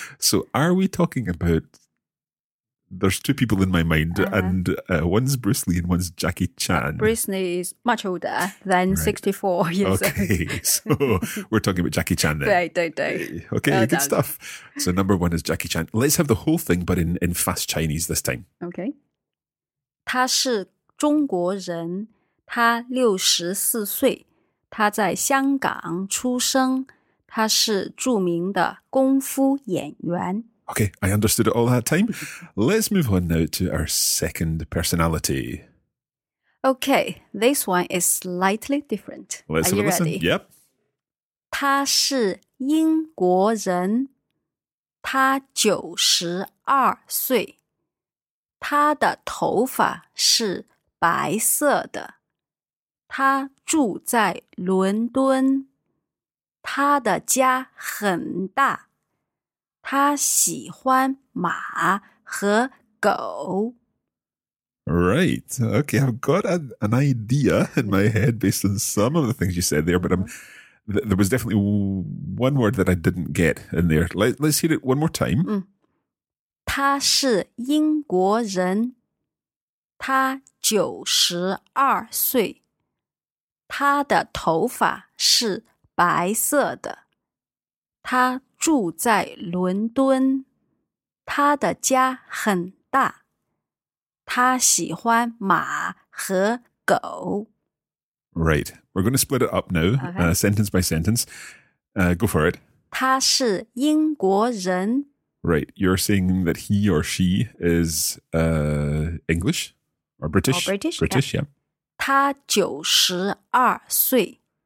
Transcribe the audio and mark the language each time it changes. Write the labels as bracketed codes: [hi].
[en] So are we talking about, there's two people in my mind, and one's Bruce Lee and one's Jackie Chan. Bruce Lee is much older than 64 years old. So we're talking about Jackie Chan then. Right, right, right. Okay, well good done. Stuff. So number one is Jackie Chan. Let's have the whole thing, but in fast Chinese this time. [zh] Okay. 他是中国人. 他64岁, 他在香港出生, 他是著名的功夫演员. [en] Okay, I understood it all that time. Let's move on now to our second personality. Okay, this one is slightly different. Let's have a listen. Yep. [zh] 他是英国人，他九十二岁，他的头发是白色的，他住在伦敦，他的家很大，他喜欢马和狗。 [en] Right. Okay, I've got an idea in my head based on some of the things you said there, but there was definitely one word that I didn't get in there. Let's hear it one more time. [zh] 他是英国人，他九十二岁，他的头发是白色的，他住在伦敦，他的家很大，他喜欢马和狗。 [en] Right. We're going to split it up now, okay. Sentence by sentence. Go for it. [zh] 他是英国人。 [en] Right. You're saying that he or she is English or British? Oh, British. British, yeah. [zh] 他九十二岁。